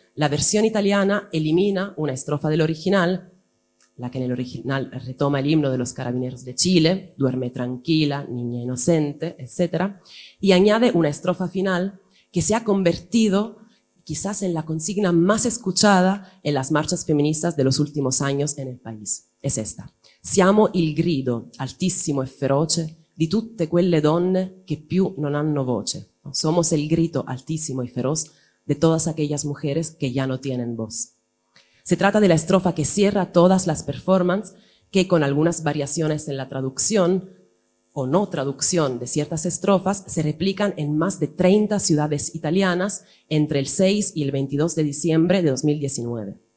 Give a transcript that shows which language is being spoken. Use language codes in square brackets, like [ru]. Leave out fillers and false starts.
[es] La versión italiana elimina una estrofa del original, la que en el original retoma el himno de los carabineros de Chile, duerme tranquila, niña inocente, etc., y añade una estrofa final que se ha convertido quizás en la consigna más escuchada en las marchas feministas de los últimos años en el país. Es esta. [it] Siamo il grido altissimo e feroce di tutte quelle donne che più non hanno voce. [es] Somos el grito altísimo y feroz de todas aquellas mujeres que ya no tienen voz. Se trata de la estrofa que cierra todas las performances que, con algunas variaciones en la traducción o no traducción de ciertas estrofas, se replican en más de 30 ciudades italianas entre el 6 y el 22 de diciembre de 2019.